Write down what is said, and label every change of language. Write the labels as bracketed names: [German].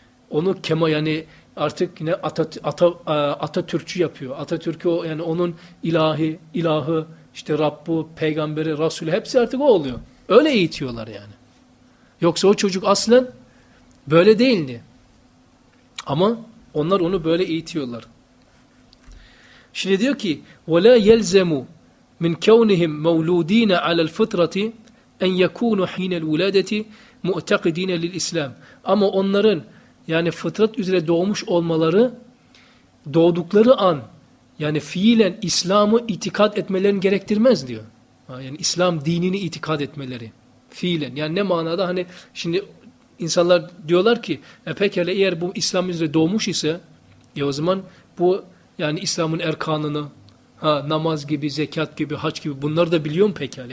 [Turkish] Onu kema, yani artık yine Atatürkçü yapıyor. Atatürk'ü o, yani onun ilahı, işte Rabb'u, peygamberi, Resulü, hepsi artık o oluyor. Öyle eğitiyorlar yani. Yoksa o çocuk aslen böyle değildi. Ama onlar onu böyle eğitiyorlar. Şimdi diyor ki [Arabic] وَلَا يَلْزَمُوا مِنْ كَوْنِهِمْ مَوْلُودِينَ عَلَى الْفِطْرَةِ اَنْ يَكُونُ حِينَ الْوُلَادَةِ مُؤْتَقِدِينَ لِلْإِسْلَامِ. [Turkish] Ama onların yani fıtrat üzere doğmuş olmaları, doğdukları an yani fiilen İslam'ı itikad etmelerini gerektirmez diyor. Yani İslam dinini itikad etmeleri fiilen. Yani ne manada, hani şimdi insanlar diyorlar ki pekala eğer bu İslam üzere doğmuş ise o zaman bu yani İslam'ın erkanını, namaz gibi, zekat gibi, hac gibi, bunları da biliyor mu pekala?